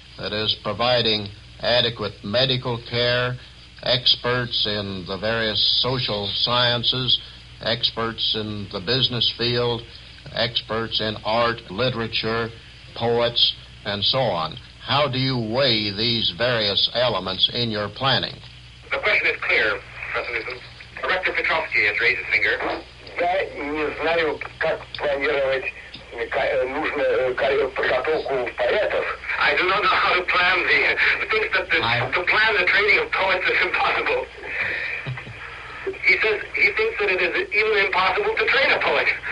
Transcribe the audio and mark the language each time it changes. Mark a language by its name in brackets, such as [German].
[English] That is, providing adequate medical care, experts in the various social sciences, experts in the business field, experts in art, literature, poets, and so on. How do you weigh these various elements in your planning? The question is clear, Professor Newsom. Rector Petrovsky has raised his finger. [Russian] Я не знаю, как планировать нужную подготовку поэтов. [English] I do not know how to plan the... to plan the training of poets is impossible. He says he thinks that it is even impossible to train a poet.